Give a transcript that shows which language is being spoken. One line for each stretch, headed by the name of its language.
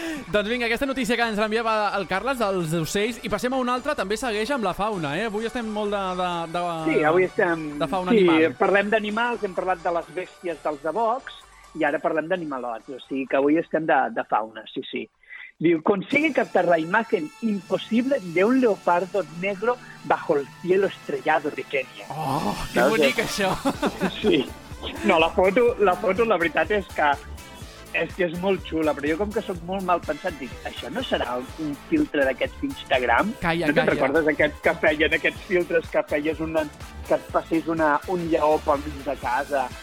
Catalan: Doncs vinga, aquesta notícia que ens enviava el Carles dels ocells, i passem a una altra, també segueix amb la fauna, eh? Avui estem molt de sí, avui estem... de fauna sí, animal. Sí, parlem d'animals, hem parlat de les bèsties dels abocs, i ara parlem d'animalots, o sigui que avui estem de fauna, sí, sí.
Spanish: Diu, consigue captar la imagen imposible de un leopardo negro bajo el cielo estrellado de Kenia.
Catalan: Oh, que bonic, això. Sí. No, la foto, la veritat és que és molt xula, però jo com que sóc molt mal pensat, dic, això no serà un filtre d'aquests d'Instagram? Calla, no te'n recordes aquests que feien, aquests filtres que feies que et passés un lleó pel mig de casa?